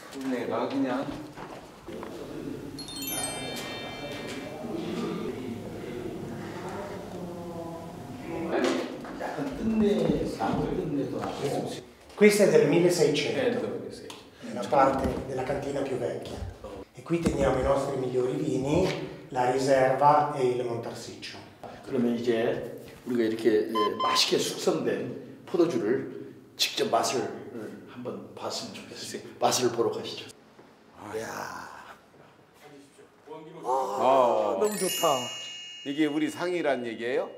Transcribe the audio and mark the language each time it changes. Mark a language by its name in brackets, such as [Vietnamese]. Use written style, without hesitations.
[Korean] 내가 그냥. 약간 뜬내, 상을 뜬내도 하고. [Italian] Questo è del 1600. Nella parte della cantina più vecchia. E qui teniamo i nostri migliori vini, la riserva e il montarsiccio. [Korean] 그러면 이제 우리가 이렇게 맛있게 숙성된 포도주를 직접 맛을 한번 봤으면 좋겠어요. 맛을 보러 가시죠. 이야. 아, 너무 좋다. 이게 우리 상이란 얘기예요?